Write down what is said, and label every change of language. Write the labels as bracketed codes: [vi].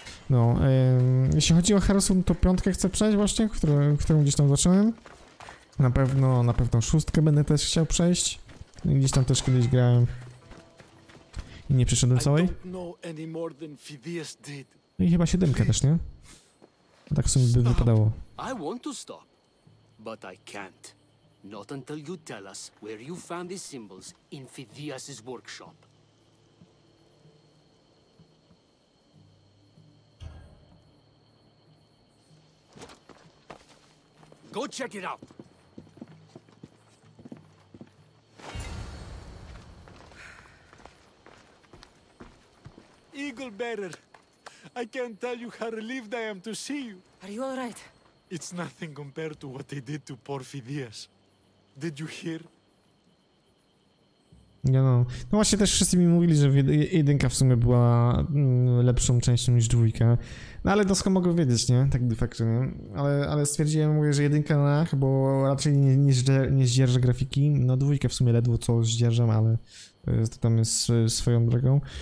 [pl] No, jeśli chodzi o Harrison, to piątkę chcę przejść właśnie, którą gdzieś tam zacząłem. Na pewno szóstkę będę też chciał przejść. Gdzieś tam też kiedyś grałem. I nie przeszedłem całej. I chyba siódemkę też, nie? Tak w sumie by wypadało. [en] I want to stop, but I can't. Not until you tell us where you found these symbols in Phidias's workshop. Go check it out. Eagle Bearer, I can't tell you how relieved I am to see you. Are you all right? It's nothing compared to what they did to poor Phidias. Did you hear? [pl] Nie no. No właśnie też wszyscy mi mówili, że jedynka w sumie była lepszą częścią niż dwójka. No ale to skąd mogę wiedzieć, nie? Tak de facto, nie? Ale stwierdziłem, mówię, że jedynka na, bo raczej nie zdzierżę grafiki. No dwójkę w sumie ledwo co zdzierżam, ale to tam jest swoją drogą.